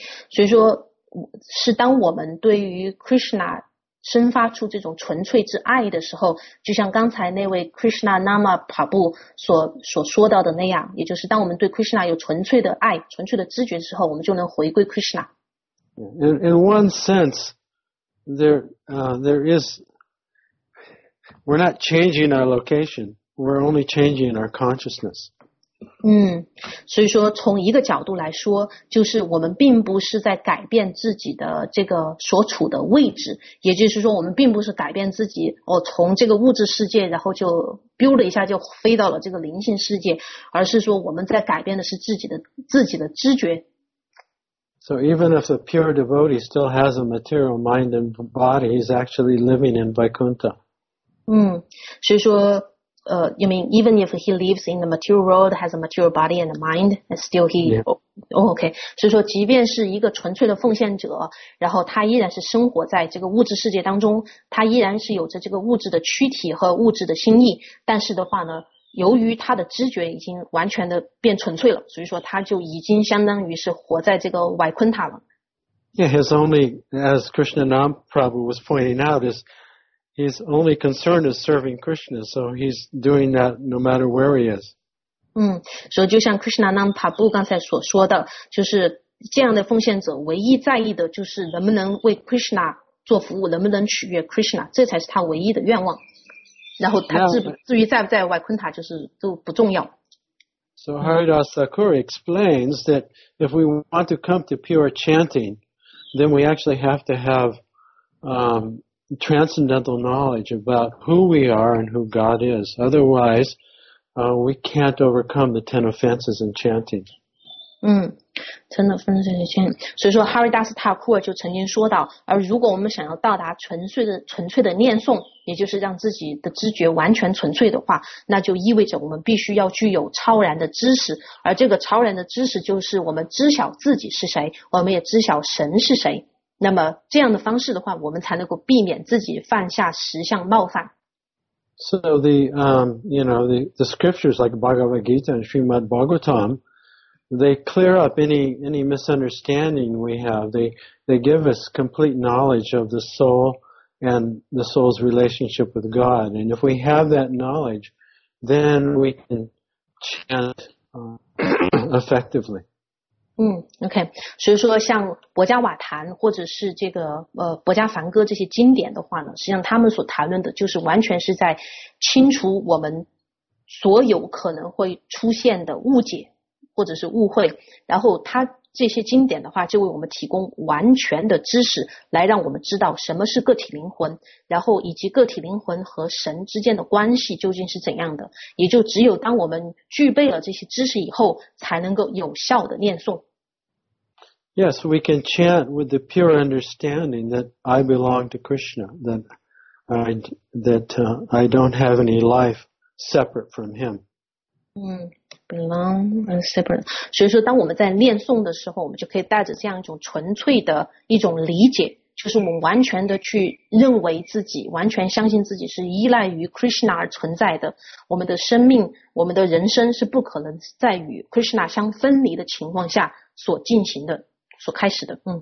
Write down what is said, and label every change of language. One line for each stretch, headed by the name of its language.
Chinese: 所以说是当我们对于 Krishna 生发出这种纯粹之爱的时候，就像刚才那位 Krishna Nama Prabhu 所说到的那样，也就是当我们对 Krishna 有纯粹的爱，纯粹的知觉之后，我们就能回归 Krishna.
English: In one sense, there is, we're not changing our location, we're only changing our consciousness.
Chinese: 所以说从一个角度来说，就是我们并不是在改变自己的这个所处的位置，也就是说我们并不是改变自己从这个物质世界然后就飘了一下就飞到了这个灵性世界，而是说我们在改变的是自己的知觉。
English: So even if a pure devotee still has a material mind and body, he's actually living in Vaikuntha.
Chinese: 所以说
English: you mean even if he lives in the material world, has a material body and a mind, and still he, yeah. Okay.
Chinese: 所以说，即便是一个纯粹的奉献者，然后他依然是生活在这个物质世界当中，他依然是有着这个物质的躯体和物质的心意。但是的话呢，由于他的知觉已经完全的变纯粹了，所以说他就已经相当于是活在这个外昆塔了。
English: Yeah. Yeah, his only, as Krishnanam Prabhu was pointing out, is his only concern is serving Krishna, so he's doing that no matter where he is.
Chinese: 所以就像 Krishnanam Prabhu 刚才所说的，就是这样的奉献者唯一在意的就是能不能为 Krishna 做服务，能不能取悦 Krishna， 这才是他唯一的愿望。然后他至于在不在外昆塔，就是都不重要。
English: So Haridasa Thakura explains that if we want to come to pure chanting, then we actually have to have transcendental knowledge about who we are and who God is. Otherwise, we can't overcome the ten offenses in chanting. Ten offenses in chanting.
Chinese: 所以说 Haridasa Thakura 就曾经说到，而如果我们想要到达纯粹的念诵，也就是让自己的知觉完全纯粹的话，那就意味着我们必须要具有超然的知识，而这个超然的知识就是我们知晓自己是谁，我们也知晓神是谁。那么这样的方式的话，我们才能够避免自己犯下十相冒犯。
English: So the scriptures like Bhagavad Gita and Srimad Bhagavatam, they clear up any misunderstanding we have. They give us complete knowledge of the soul and the soul's relationship with God. And if we have that knowledge, then we can chant effectively. Okay.
Chinese: 所以说像薄伽瓦坛或者是这个薄伽梵歌这些经典的话呢，实际上他们所谈论的就是完全是在清除我们所有可能会出现的误解或者是误会，然后他这些经典的话就为我们提供完全的知识，来让我们知道什么是个体灵魂，然后以及个体灵魂和神之间的关系究竟是怎样的，也就只有当我们具备了这些知识以后才能够有效的念诵。
English: Yes, we can chant with the pure understanding that I belong to Krishna, that I don't have any life separate from him. Belong and separate.
Chinese: 所以说当我们在念诵的时候，我们就可以带着这样一种纯粹的一种理解，就是我们完全的去认为自己，完全相信自己是依赖于 Krishna 而存在的，我们的生命，我们的人生是不可能在与 Krishna 相分离的情况下所进行的，所开始的。